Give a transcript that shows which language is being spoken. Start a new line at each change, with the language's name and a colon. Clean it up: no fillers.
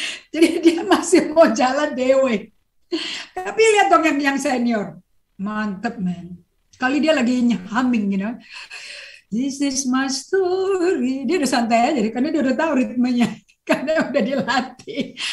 Indonesian: Jadi dia masih mau jalan dewe. Tapi lihat dong yang senior, mantep man. Kali dia lagi humming,
English: you know, this is my story.
Indonesian: Dia udah santai aja, karena dia udah tahu ritmenya, karena udah dilatih.